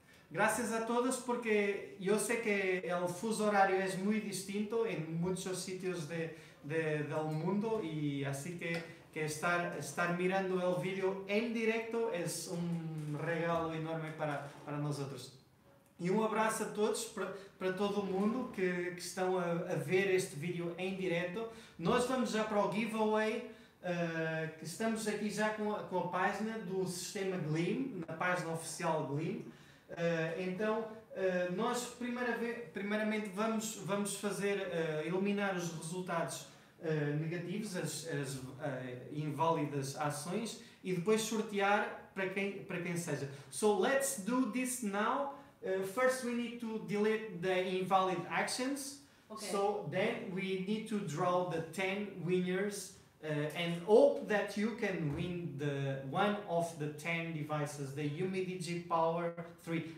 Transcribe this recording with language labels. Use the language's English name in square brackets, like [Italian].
[Spanish] Gracias a todos, porque yo sé que el fuso horario es muy distinto en muchos sitios del mundo. Y así que estar mirando el video en directo es un... regalo enorme para [Portuguese] nós outros. E um abraço a todos, para todo o mundo que estão a ver este vídeo em direto. Nós vamos já para o giveaway, que estamos aqui já com a página do sistema Gleam, na página oficial Gleam. Então, nós primeiramente vamos fazer, eliminar os resultados negativos, as inválidas ações, e depois sortear para quem seja. [English] So let's do this now. First we need to delete the invalid actions. Okay. So then we need to draw the 10 winners and hope that you can win the one of the 10 devices, the Umidigi Power 3.